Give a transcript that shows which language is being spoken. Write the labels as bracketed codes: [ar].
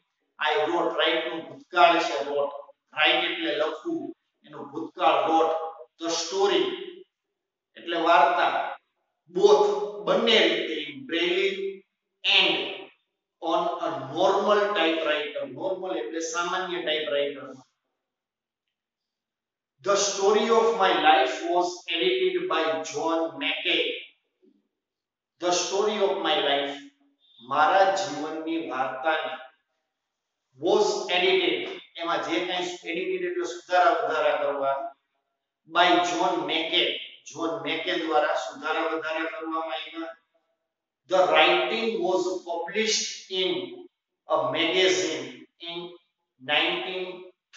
[en] I wrote, [gu] right નું ભૂતકાળ છે રોટ, રાઇટ એટલે લખવું, એનું ભૂતકાળ રોટ. [en] the story [gu] એટલે વાર્તા, [en] both [gu] બંને રીતે, [en] In Braille and on a normal typewriter. [gu] Normal એટલે સામાન્ય type writer. [en] The story of my life was edited by John Mackay. The story of my life, [gu] મારા જીવનની વાર્તાને, [en] was edited, [gu] એમાં જે કંઈ edited એટલે સુધારા વધારા કરવા, [en] by John Mackay, [gu] John Mackay દ્વારા સુધારા વધારા કરવામાં આવ્યા. [en] The writing was published in a magazine in 1903.